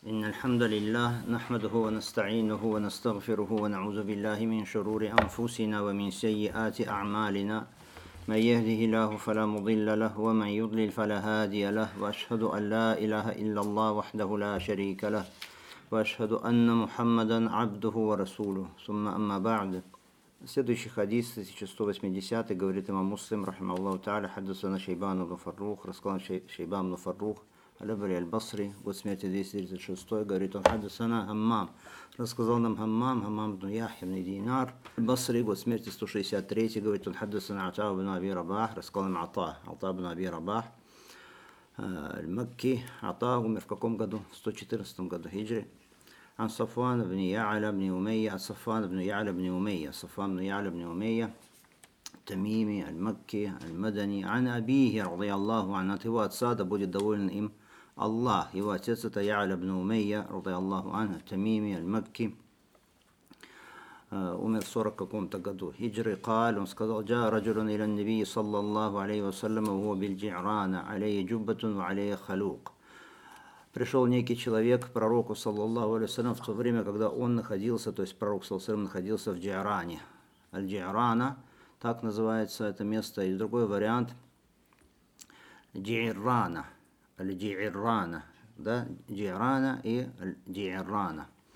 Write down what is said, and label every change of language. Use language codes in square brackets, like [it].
[ar] الحمد لله نحمده ونستعينه ونستغفره ونعوذ بالله من شرور أنفسنا ومن سيئات أعمالنا من يهده الله فلا مضل له ومن يضلل فلا هادي له وأشهد أن لا إله إلا الله وحده لا شريك له وأشهد أن محمدا عبده ورسوله ثم أما بعد. [ru] Следующий хадис, 1180, говорит имам Муслим, [ar] رحمه الله تعالى, حدثنا شيبان بن فروخ, [ru] рассказал شيبان بن فروخ, Аль-Абри Аль-Басри, год смерти 236, говорит он, хадасана Хаммам, рассказал нам Хаммам, Хаммам бин Яхья бин Динар, Аль-Басри, год смерти 163, говорит он, хадасана Ата бин Аби Рабах, рассказал нам Ата, Ата бин Аби Рабах, Аль-Макки, Ата умер в каком году? В 114 году хиджри. Ан Сафуан бин Яаля бин Умейя, Ан Сафуан бин Яаля бин Умейя, Сафуан бин Яаля бин Умейя, Тамими, Аль-Макки, Аль-Мадани, Ан Абихи, [ar] رضي الله عنه, [ru] от его отца, да будет доволен им Аллах. Его отец это Яаля бин Умейя, [ar] رضي الله عنه, [ru] Тамими, Аль-Макки, умер в 40 каком-то году. [ar] Хиджри قال, [ru] он сказал, [ar] جاء رجل إلى النبي صلى الله عليه وسلم, وهو بالجعران, عليه جبة وعليه خلوق. [ru] Пришел некий человек к пророку, саллаллаху алейхи ва саллям, в то время, когда он находился, то есть пророк, саллаллаху алейхи ва саллям, находился в Джиране. Аль-Джирана, так называется это место, и другой вариант Джирана, Аль-Джирана, да, Джирана и Аль-Джирана.